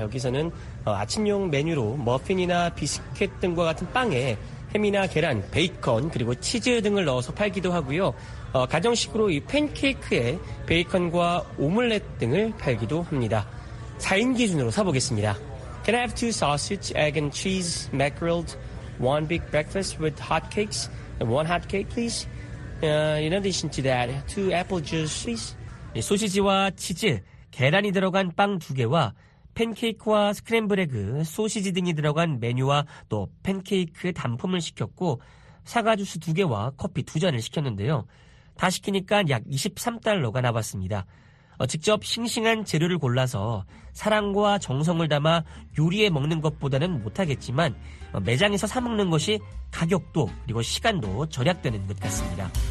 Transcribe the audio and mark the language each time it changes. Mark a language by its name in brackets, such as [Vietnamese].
[Korean] 여기서는 아침용 메뉴로 머핀이나 비스킷 등과 같은 빵에 햄이나 계란, 베이컨, 그리고 치즈 등을 넣어서 팔기도 하고요. 가정식으로 이 팬케이크에 베이컨과 오믈렛 등을 팔기도 합니다. 4인 기준으로 사보겠습니다. [English] Can I have two sausage, egg and cheese, mackerel, one big breakfast with hotcakes, and one hotcake, please? In addition to that, two apple juice, please? [Korean] 소시지와 치즈, 계란이 들어간 빵 두 개와 팬케이크와 스크램블에그, 소시지 등이 들어간 메뉴와 또 팬케이크 단품을 시켰고 사과 주스 두 개와 커피 두 잔을 시켰는데요. 다 시키니까 약 23달러가 나왔습니다. 직접 싱싱한 재료를 골라서 사랑과 정성을 담아 요리해 먹는 것보다는 못하겠지만 매장에서 사 먹는 것이 가격도 그리고 시간도 절약되는 것 같습니다.